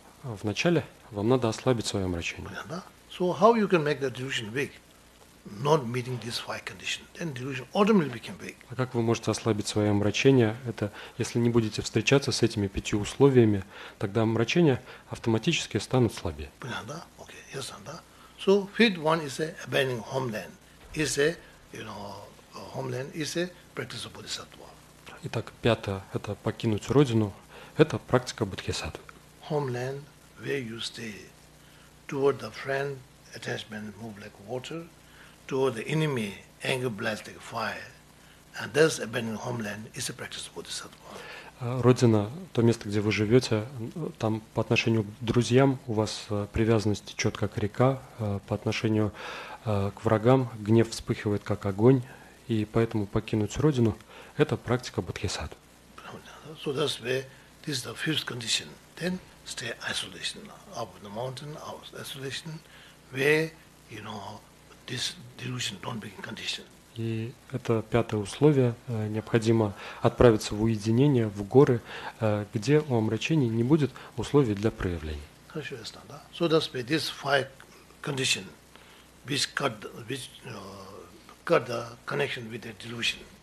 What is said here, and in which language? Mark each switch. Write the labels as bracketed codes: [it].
[ru] Вначале вам надо ослабить свои омрачения. Понятно? [en] So how you can make the delusion weak? Not meeting these five conditions, then delusion automatically becomes weak. [ru] А как вы можете ослабить свои омрачения? Это если не будете встречаться с этими пятью условиями, тогда омрачения автоматически станут слабее. Понятно? [en] Okay, yes, [ru] да. [en] So fifth one is abandoning homeland. Is a, you know, homeland is a practice of bodhisattva. [ru] Итак, пятое это покинуть родину. Это практика бодхисаттвы. [en] Homeland, where you stay, toward the friend, attachment move like water. To the enemy, anger blast like fire, and thus abandoning homeland is a practice of bodhisattva. [ru] Родина, то место, где вы живете, там по отношению к друзьям у вас привязанность течет как река, по отношению к врагам гнев вспыхивает как огонь, и поэтому покинуть родину – это практика бодхисаттвы. [en] So that's where this is the fifth condition. Then stay isolation up in the mountain, out isolation, where you know. This delusion don't be conditioned. [ru] И это пятое условие. Необходимо отправиться в уединение, в горы, где у омрачений не будет условий для проявления. Хорошо, ясно, да? [en] So that's why this five condition, which cut the connection with the delusion.